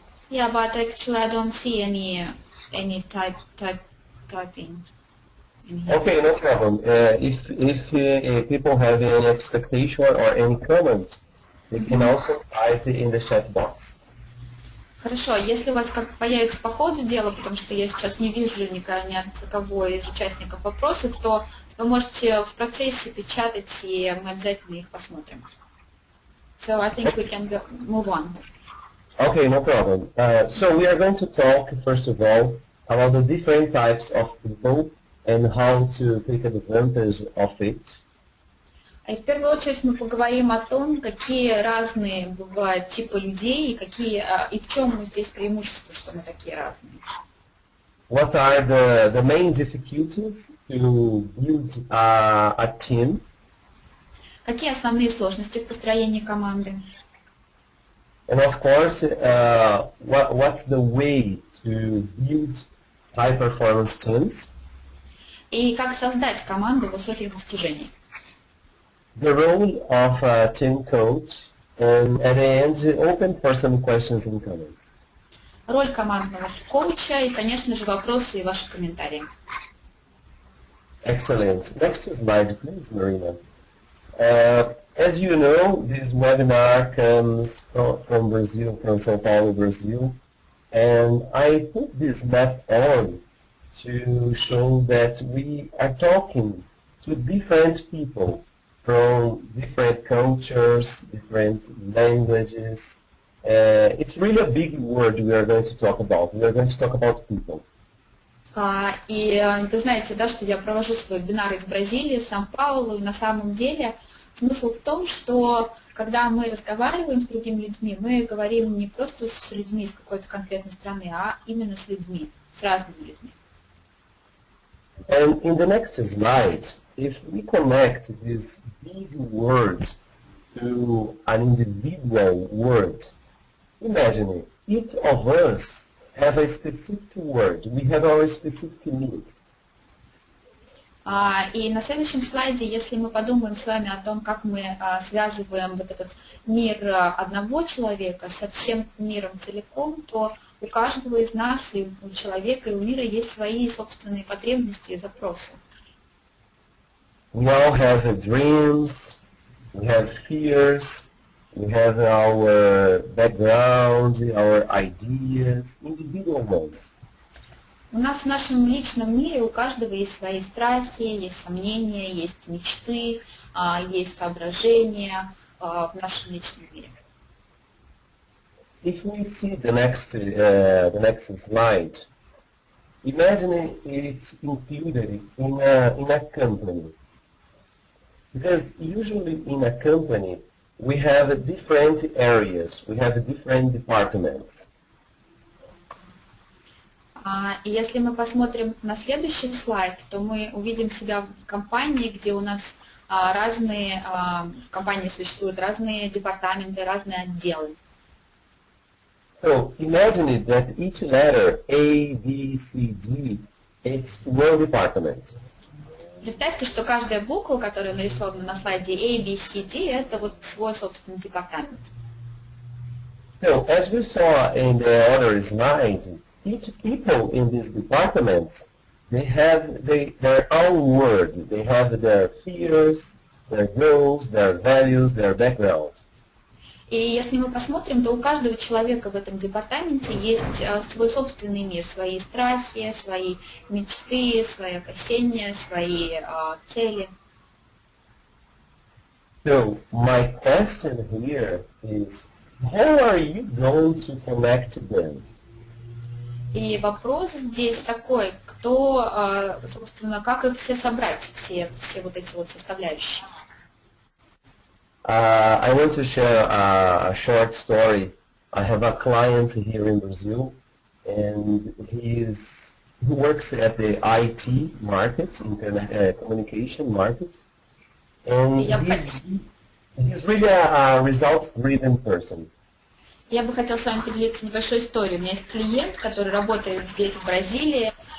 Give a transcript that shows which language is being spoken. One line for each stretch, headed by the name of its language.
English: Yeah, but actually I don't see any typing in here. Okay, no problem. If people have any expectation or any comments, they can also type in the chat box.
Russian: Хорошо, если у вас как появится по ходу дела, потому что я сейчас не вижу никого, ни от кого из участников вопросов, то вы можете в процессе печатать, и мы обязательно их посмотрим.
English: So I think we can move on. Okay, no problem. So we are going to talk, first of all, about the different types of people and how to take advantage of it.
Russian: И в первую очередь мы поговорим о том, какие разные бывают типы людей, и в чем здесь преимущество, что мы такие разные.
English: What are the main difficulties to build a team?
Russian: Какие основные сложности в построении команды?
English: And of course, what's the way to build high performance teams?
Russian: И как создать команду высоких достижений?
English: The role of a team coach, and at the end, open for some questions and comments.
Russian: Роль командного коуча и, конечно же, вопросы и ваши комментарии.
English: Excellent. Next slide, please, Marina. As you know, this webinar comes from Brazil, from São Paulo, Brazil, and I put this map on to show that we are talking to different people from different cultures, different languages. It's really a big word we are going to talk about. We are going to talk about people.
Russian: И вы знаете, да, что я провожу свой вебинар из Бразилии, Сан-Паулу, и на самом деле смысл в том, что когда мы разговариваем с другими людьми, мы говорим не просто с людьми из какой-то конкретной страны, а именно с людьми, с разными людьми.
English: And in the next slide, if we connect this big word to an individual word, imagine it, each of us have a specific word, we have our specific needs.
Russian: И на следующем слайде, если мы подумаем с вами о том, как мы связываем вот этот мир одного человека со всем миром целиком, то у каждого из нас, и у человека, и у мира есть свои собственные потребности и запросы.
English: We all have dreams, we have fears, we have our backgrounds, our ideas, individual ones.
Russian: У нас в нашем личном мире у каждого есть свои страхи, есть сомнения, есть мечты, есть соображения в нашем личном мире.
English: If we see the next slide, imagine it's included in a company. Because usually in a company we have different areas, we have different departments.
Russian: И если мы посмотрим на следующий слайд, то мы увидим себя в компании, где у нас разные, в компании существуют разные департаменты, разные отделы.
English: So imagine that each letter A, B, C, D, it's one department.
Russian: Представьте, что каждая буква, которая нарисована на слайде A, B, C, D, это вот свой собственный департамент.
English: So as we saw in the other slide, each people in these departments, they have their own words. They have their fears, their goals, their values, their background.
Russian: И если мы посмотрим, то у каждого человека в этом департаменте есть свой собственный мир, свои страхи, свои мечты, свои опасения, свои цели.
English: So my question here is, how are you going to connect them?
Russian: И вопрос здесь такой, кто, собственно, как их все собрать, все вот эти вот составляющие.
English: I want to share a short story. I have a client here in Brazil, and he works at the IT market, internet communication market, and he's really a results-driven person.
Russian: Я бы хотела с вами поделиться небольшой историей. У меня есть клиент, который работает здесь, в Бразилии.